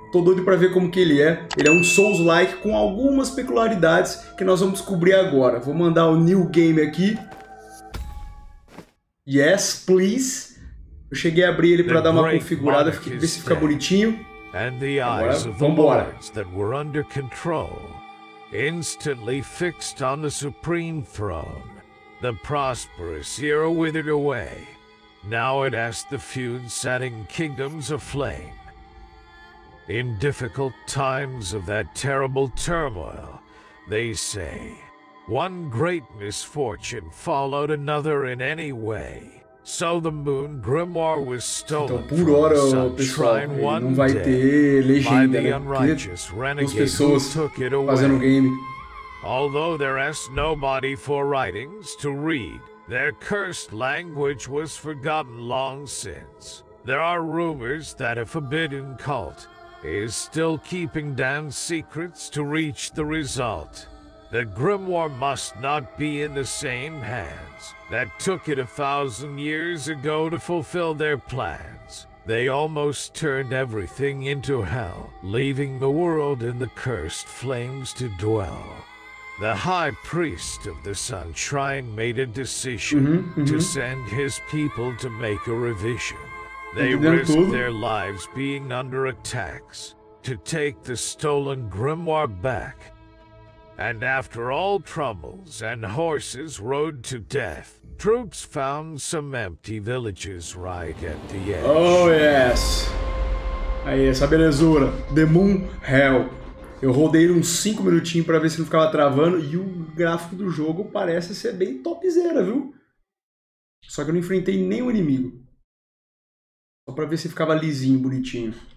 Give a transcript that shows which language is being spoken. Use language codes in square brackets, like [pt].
[pt] Tô doido pra ver como que ele é. Ele é um Souls-like com algumas peculiaridades que nós vamos descobrir agora. Vou mandar o New Game aqui. [en] Yes, please. [pt] Eu cheguei a abrir ele para dar uma configurada, ver se fica bonitinho. Vambora. [en] That were under control, instantly fixed on the supreme throne. The prosperous era withered away. Now it has the feud-setting kingdoms aflame. In difficult times of that terrible turmoil, they say, one great misfortune followed another in any way. So the moon grimoire was stolen. [pt] Então, por hora, pessoal, não vai ter legenda, né? Porque as pessoas fazendo o game. [en] Although there is nobody for writings to read, their cursed language was forgotten long since. There are rumors that a forbidden cult is still keeping down secrets to reach the result. The grimoire must not be in the same hands that took it 1,000 years ago to fulfill their plans. They almost turned everything into hell, leaving the world in the cursed flames to dwell. The high priest of the Sun Shrine made a decision to send his people to make a revision. They risked their lives being under attacks to take the stolen grimoire back. And after all troubles and horses rode to death, troops found some empty villages right at the edge. Oh, yes! [pt] Aí, essa belezura. [en] The Moon Hell. [pt] Eu rodei uns 5 minutinhos pra ver se não ficava travando. E o gráfico do jogo parece ser bem topzera, viu? Só que eu não enfrentei nenhum inimigo. Só pra ver se ficava lisinho, bonitinho.